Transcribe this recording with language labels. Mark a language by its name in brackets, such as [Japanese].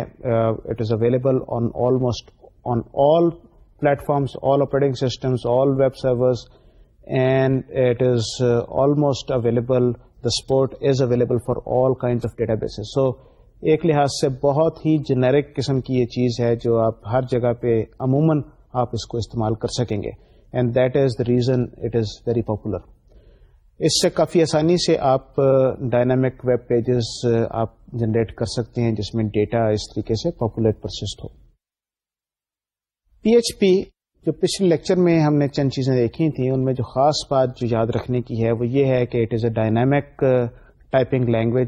[English] It is available on almost on all platforms, all operating systems, all web servers, and it is almost available. The support is available for all kind of databases. [Urdu] سو ایک لحاظ سے بہت ہی generic قسم کی یہ چیز ہے جو آپ ہر جگہ پہ عموماً آپ اس کو استعمال کر سکیں گے. [English] And that is the reason it is very popular. [Urdu] اس سے کافی آسانی سے آپ ڈائنامک ویب پیجز آپ جنریٹ کر سکتے ہیں جس میں ڈیٹا اس طریقے سے پاپولیٹ پرسسٹ ہو. پی ایچ پی جو پچھلے لیکچر میں ہم نے چند چیزیں دیکھی تھیں ان میں جو خاص بات جو یاد رکھنے کی ہے وہ یہ ہے کہ [English] It is a dynamic typing language.